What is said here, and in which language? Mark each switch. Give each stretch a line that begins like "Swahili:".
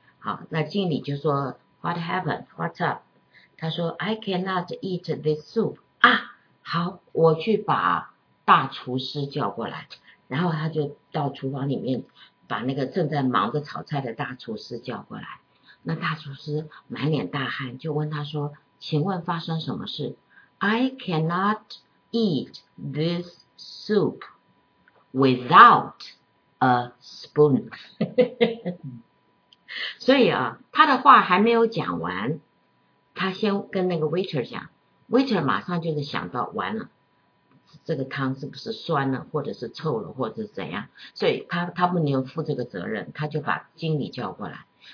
Chinese: 好，那经理就说
English: What happened? What's up?
Chinese: 他说
English: I cannot eat this soup
Chinese: 啊，好，我去把大厨师叫过来。然后他就到厨房里面把那个正在忙着炒菜的大厨师叫过来。那大厨师满脸大汗，就问他说，请问发生什么事？
English: I cannot eat this soup without a spoon.
Chinese: 所以啊，他的话还没有讲完，他先跟那个 waiter 讲， waiter 马上就是想到完了，这个汤是不是酸了，或者是臭了，或者是怎样，所以他不能负这个责任，他就把经理叫过来。